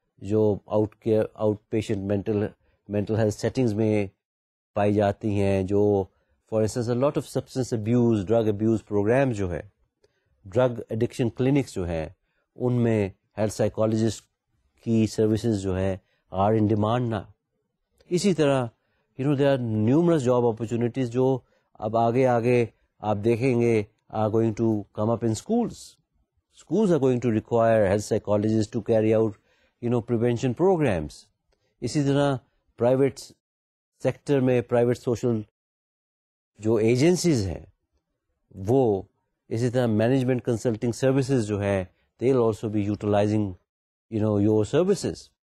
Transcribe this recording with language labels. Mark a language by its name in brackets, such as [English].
[Urdu] جو out care out patient mental health settings میں پائی جاتی ہیں, جو [English] for instance a lot of substance abuse drug abuse programme [Urdu] جو ہے ڈرگ ایڈکشن کلینکس جو ہیں ان میں ہیلتھ سائیکالوجسٹ کی سروسز جو ہے [English] are in demand [Urdu] نا. اسی طرح [English] you know they are numerous job opportunities [Urdu] جو اب آگے آپ دیکھیں گے [English] Are going to come up in schools. Schools are going to require health psychologist to carry out you know prevention programmes. [Urdu] اسی طرح پرائیویٹ سیکٹر میں پرائیویٹ سوشل جو ایجنسیز ہیں وہ اسی طرح مینجمنٹ کنسلٹنگ سروسز جو ہے [English] They will also be utilising you know your services.